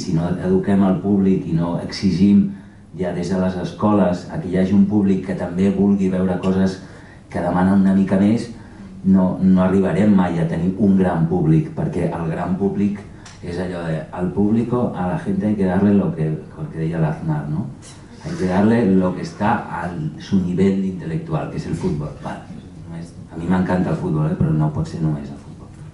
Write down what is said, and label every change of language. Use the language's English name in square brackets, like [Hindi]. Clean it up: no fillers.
[Catalan] Si no eduquem el públic i no exigim ja des de les escoles que hi hagi un públic que també vulgui veure coses que demanen una mica més, no arribarem mai a tenir un gran públic, perquè el gran públic és allò de [Spanish] al público, a la gente hay que darle lo que [Catalan] deia l'Aznar, no? [Spanish] Hay que darle lo que está al su nivel intelectual, que es el fútbol. [Catalan] Vale, a mi m'encanta el fútbol, però no pot ser només el fútbol.